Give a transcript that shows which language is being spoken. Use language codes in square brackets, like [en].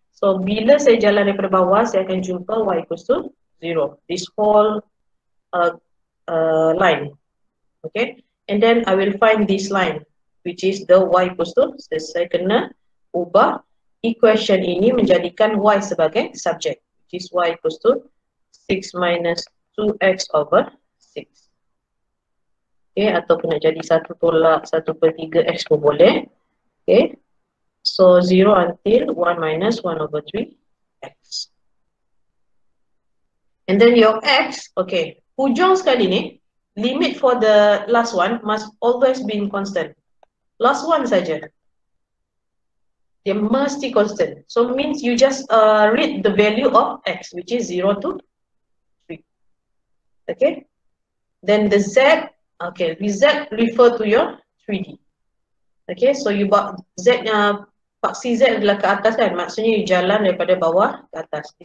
[ms] So bila saya jalan daripada bawah, saya akan jumpa y equals to 0. [en] This whole line. Okay, and then I will find this line, which is the y equals to. [ms] So saya kena ubah equation ini menjadikan y sebagai subject. [en] Which is y equals to 6 minus 2x over 6. [ms] Okay, ataupun nak jadi 1 tolak 1 per 3x pun boleh. Okay. [en] So 0 until 1 minus 1 over 3 x. And then your x, okay, [ms] hujung sekali ni, [en] limit for the last one must always be constant. Last one [ms] saja. [en] They must be constant. So means you just read the value of x, which is 0 to 3. Okay? Then the z, okay, we z refer to your 3D. [ms] Okay, so you bak z, paksi z adalah ke atas kan? Maksudnya you jalan daripada bawah ke atas.